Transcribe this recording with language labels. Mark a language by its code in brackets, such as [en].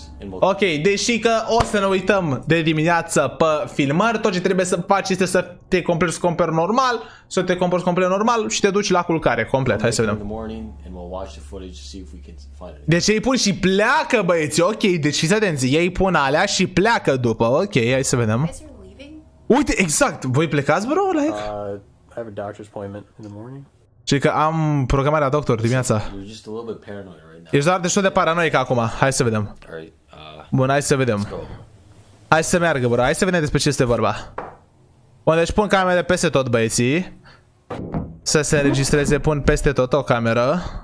[ro] Ok, deși că o să ne uităm de dimineață pe filmări, tot ce trebuie să faci este să te comporți complet normal, să te comporți complet normal și te duci la culcare complet. Hai să vedem. Deci ei pun și pleacă, băieți. Ok, deci fiți atenți. Ei pun alea și pleacă după. Ok, hai să vedem. Uite, exact, voi plecați, bro? [en] Like? I have a doctor's appointment in the morning. [ro] Și că am programarea doctor dimineața. [en] You're just a little bit paranoid right now. [ro] Ești doar destul de paranoic acum, hai să vedem. Bun, hai să vedem. Hai să meargă, bro, hai să vedem despre ce este vorba. Bun, deci pun camere peste tot, băieții. Să se înregistreze, pun peste tot o cameră.